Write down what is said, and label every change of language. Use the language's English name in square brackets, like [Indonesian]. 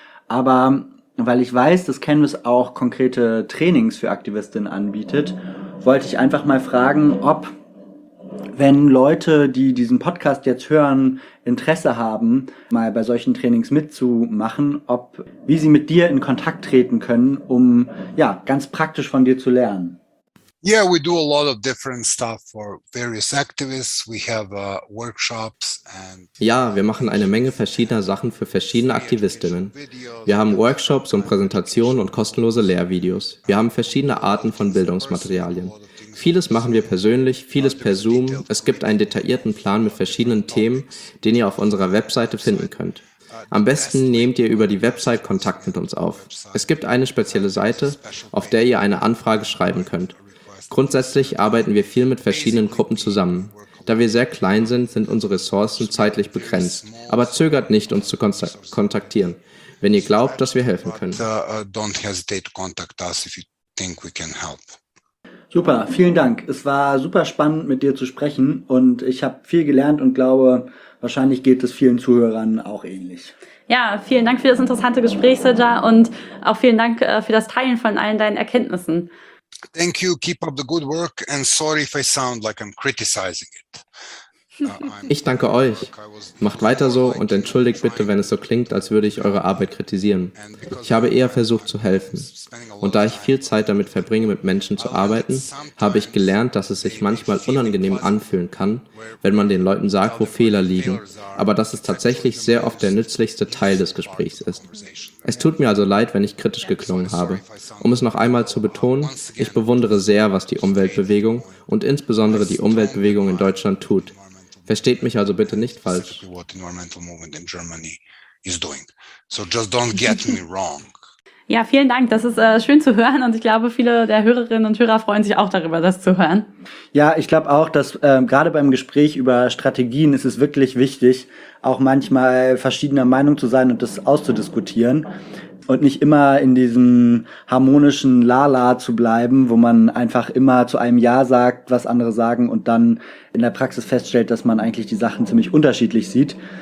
[German] Aber weil ich weiß, dass Canvas auch konkrete Trainings für Aktivistinnen anbietet, wollte ich einfach mal fragen, ob, wenn Leute, die diesen Podcast jetzt hören, Interesse haben, mal bei solchen Trainings mitzumachen, ob, wie sie mit dir in Kontakt treten können, um ja ganz praktisch von dir zu lernen. [English] Yeah, we do a lot of different stuff for various activists. We have workshops and. [German] Ja, wir machen eine Menge verschiedener Sachen für verschiedene Aktivistinnen. Wir haben Workshops und Präsentationen und kostenlose Lehrvideos. Wir haben verschiedene Arten von Bildungsmaterialien. Vieles machen wir persönlich, vieles per Zoom. Es gibt einen detaillierten Plan mit verschiedenen Themen, den ihr auf unserer Webseite finden könnt. Am besten nehmt ihr über die Website Kontakt mit uns auf. Es gibt eine spezielle Seite, auf der ihr eine Anfrage schreiben könnt. Grundsätzlich arbeiten wir viel mit verschiedenen Gruppen zusammen. Da wir sehr klein sind, sind unsere Ressourcen zeitlich begrenzt. Aber zögert nicht, uns zu kontaktieren, wenn ihr glaubt, dass wir helfen können. [English] Don't hesitate to contact us if you think we can help. [German] Super, vielen Dank. Es war super spannend, mit dir zu sprechen und ich habe viel gelernt und glaube, wahrscheinlich geht es vielen Zuhörern auch ähnlich. Ja, vielen Dank für das interessante Gespräch, Sajja, und auch vielen Dank für das Teilen von allen deinen Erkenntnissen. [English] Thank you, keep up the good work and sorry if I sound like I'm criticizing it. [German] Ich danke euch. Macht weiter so und entschuldigt bitte, wenn es so klingt, als würde ich eure Arbeit kritisieren. Ich habe eher versucht zu helfen. Und da ich viel Zeit damit verbringe, mit Menschen zu arbeiten, habe ich gelernt, dass es sich manchmal unangenehm anfühlen kann, wenn man den Leuten sagt, wo Fehler liegen, aber dass es tatsächlich sehr oft der nützlichste Teil des Gesprächs ist. Es tut mir also leid, wenn ich kritisch geklungen habe. Um es noch einmal zu betonen, ich bewundere sehr, was die Umweltbewegung und insbesondere die Umweltbewegung in Deutschland tut. Versteht mich also bitte nicht falsch. [English] What the environmental movement in Germany is doing. So just don't get me wrong. [German] Ja, vielen Dank. Das ist schön zu hören und ich glaube, viele der Hörerinnen und Hörer freuen sich auch darüber, das zu hören. Ja, ich glaube auch, dass gerade beim Gespräch über Strategien ist es wirklich wichtig, auch manchmal verschiedener Meinung zu sein und das auszudiskutieren und nicht immer in diesem harmonischen Lala zu bleiben, wo man einfach immer zu einem Ja sagt, was andere sagen und dann in der Praxis feststellt, dass man eigentlich die Sachen ziemlich unterschiedlich sieht.